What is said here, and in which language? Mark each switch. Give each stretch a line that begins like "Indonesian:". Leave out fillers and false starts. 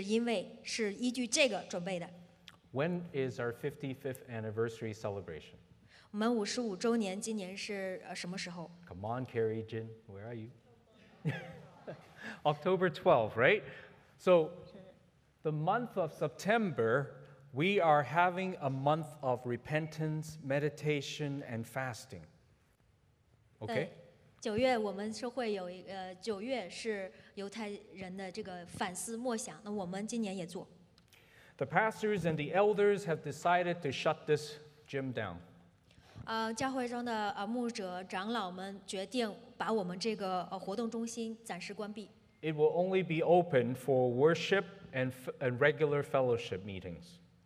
Chinese: 我本想很想告诉大家就是假装就是我们今年在计划10月12号的55周年感恩庆典的时候是因为是依据这个准备的
English: When is our 55th anniversary celebration?
Chinese: 我们55周年今年是什么时候?
English: Come on, Carrie Jin, where are you? October 12th, right? So, the month of September, we are having a month of repentance, meditation, and fasting. Okay?
Chinese: 九月我们是会有九月是犹太人的这个反思默想，那我们今年也做。
English: The pastors and the elders have decided to shut this gym down.
Chinese: 教会中的牧者长老们决定把我们这个活动中心暂时关闭。
English: It will only be open for worship and regular fellowship meetings.